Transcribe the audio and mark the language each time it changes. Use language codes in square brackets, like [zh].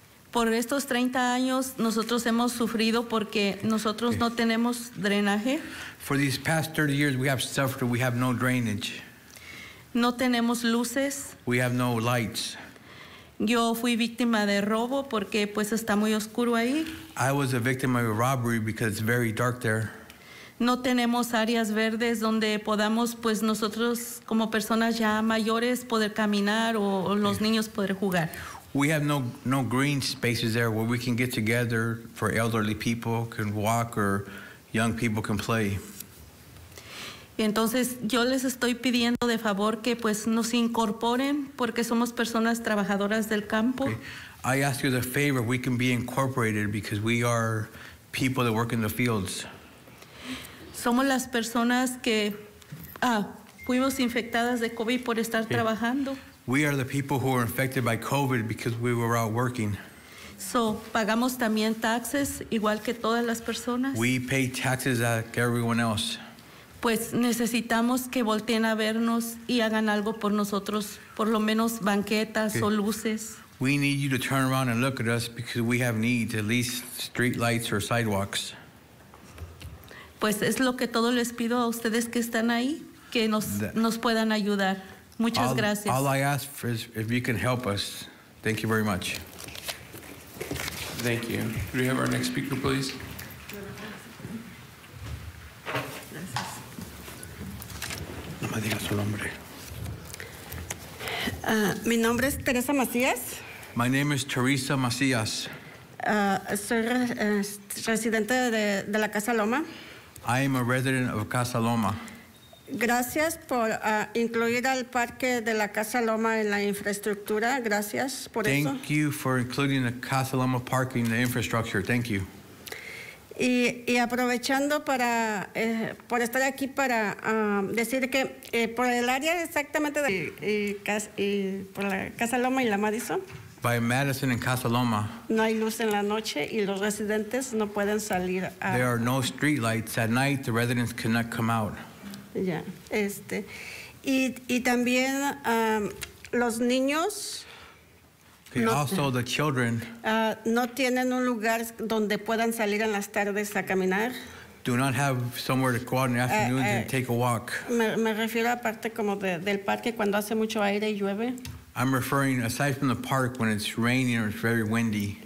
[es] Por estos 30 años, nosotros hemos sufrido porque nosotros no tenemos drenaje. [en] For these past 30 years, we have suffered. We have no drainage. [es] No tenemos luces. [en] We have no lights. [es] Yo fui víctima de robo porque pues está muy oscuro ahí. [en] I was a victim of a robbery because it's very dark there. [es] No tenemos áreas verdes donde podamos, pues nosotros como personas ya mayores, poder caminar o los niños poder jugar. [en] We have no green spaces there where we can get together for elderly people can walk or young people can play. [es] Entonces yo les estoy pidiendo de favor que pues nos incorporen porque somos personas trabajadoras del campo. [en] Okay. I ask you the favor we can be incorporated because we are people that work in the fields. [es] Somos las personas que fuimos infectadas de COVID por estar trabajando. [en] We are the people who were infected by COVID because we were out working. [es] So, pagamos también taxes igual que todas las personas. [en] We pay taxes like everyone else. [es] Pues necesitamos que volteen a vernos y hagan algo por nosotros, por lo menos banquetas o luces. [en] We need you to turn around and look at us because we have needs, at least street lights or sidewalks. [es] Pues es lo que todo les pido a ustedes que están ahí, que nos puedan ayudar. Muchas gracias. [en] All I ask for is if you can help us. Thank you very much. Thank you. Could we have our next speaker, please? [es] No me diga su nombre. Mi nombre es Teresa Macías. [en] My name is Teresa Macías. [es] Soy residente de la Casa Loma. [en] I am a resident of Casa Loma. [es] Gracias por incluir al parque de la Casa Loma en la infraestructura. Gracias por [en] Thank [es] eso. [en] Thank you for including the Casa Loma park in the infrastructure. Thank you. [es] Y aprovechando para por estar aquí para decir que por el área exactamente de por la Casa Loma y la Madison. [en] By Madison and Casa Loma. [es] No hay luz en la noche y los residentes no pueden salir. [en] There are no streetlights at night. The residents cannot come out. [es] Ya, yeah, este. Y también los niños. [en] Okay, no, also the children. [es] No tienen un lugar donde puedan salir en las tardes a caminar. [en] Do not have somewhere to go out in the afternoons and take a walk. [es] Me refiero a parte como del parque cuando hace mucho aire y llueve. [en] I'm referring, aside from the park, when it's raining or it's very windy.